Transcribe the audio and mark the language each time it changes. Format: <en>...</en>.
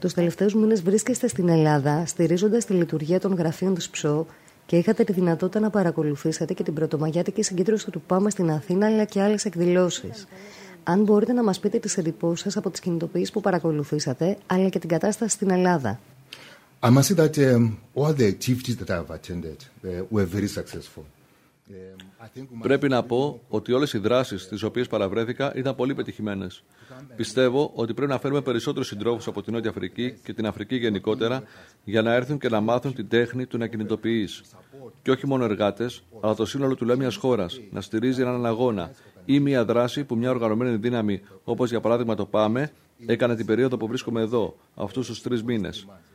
<el>Τους τελευταίους μήνες βρίσκεστε στην Ελλάδα, στηρίζοντας τη λειτουργία των γραφείων της ΨΟ και είχατε τη δυνατότητα να παρακολουθήσετε και την πρωτομαγιάτικη συγκέντρωση του ΠΑΜΕ στην Αθήνα αλλά και άλλες εκδηλώσεις. Αν μπορείτε να μας πείτε τις εντυπώσεις σας από τις κινητοποιήσεις που παρακολουθήσατε, αλλά και την κατάσταση στην Ελλάδα.</el> <en>I must say that all the activities that I have attended were very successful.</en> <el>Πρέπει να πω ότι όλες οι δράσεις τις οποίες παραβρέθηκα ήταν πολύ πετυχημένες. Πιστεύω ότι πρέπει να φέρουμε περισσότερους συντρόφους από την Νότια Αφρική και την Αφρική γενικότερα για να έρθουν και να μάθουν την τέχνη του να κινητοποιείς. Και όχι μόνο εργάτες, αλλά το σύνολο του λαού μιας χώρας να στηρίζει έναν αγώνα ή μια δράση που μια οργανωμένη δύναμη, όπως για παράδειγμα το ΠΑΜΕ, έκανε την περίοδο που βρίσκομαι εδώ, αυτούς τους τρεις μήνες.</el>